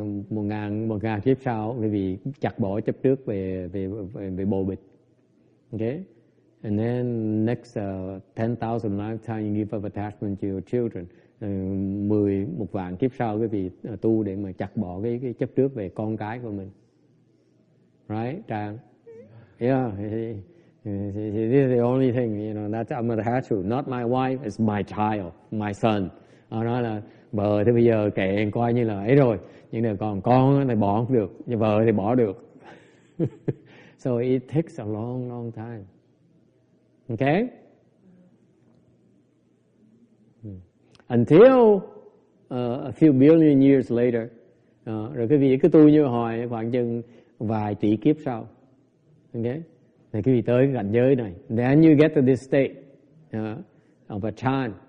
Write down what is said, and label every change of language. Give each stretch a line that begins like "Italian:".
Vietnamese: 1000 kiếp sau quý vị chặt bỏ chấp trước về bồ bịch.
English: Okay? And then next 10,000 lifetime you give up attachment to your children.
Vietnamese: 1 vạn kiếp sau quý vị tu để mà chặt bỏ cái chấp trước về con cái của mình.
English: Right, Trang? Yeah, this is the only thing, you know, that I'm attached to. Not my wife, it's my child, my son.
Vietnamese: Nó là vợ thì bây giờ kệ coi như là ấy rồi. Nhưng mà còn con thì bỏ không được, vợ thì bỏ được.
English: So it takes a long, long time. Okay? Until a few billion years later,
Vietnamese: rồi quý vị cứ tu như hồi khoảng chừng vài tỷ kiếp sau. Okay? Thì quý vị tới cái cảnh giới này.
English: Then you get to this state of a chan.